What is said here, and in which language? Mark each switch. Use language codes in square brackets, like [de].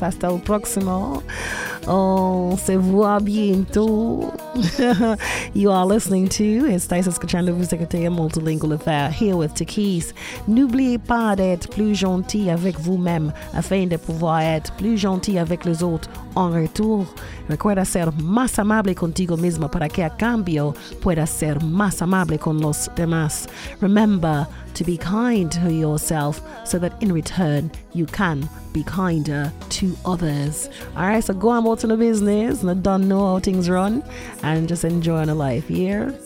[es] Hasta el próximo. [fr] On se voit bientôt. [en] You are listening to [es] Estáis escuchando [en] Musicate Multilingual Affair here with Takis. [fr] N'oubliez pas d'être plus gentil avec vous-même afin de pouvoir être plus gentil avec les autres en retour. [es] Recuerda ser más amable contigo mismo para que a cambio puedas ser más amable con los demás. [en] Remember to be kind to yourself so that in return you can be kinder to others. All right, so go on about the business and don't know how things run and just enjoy on a life here.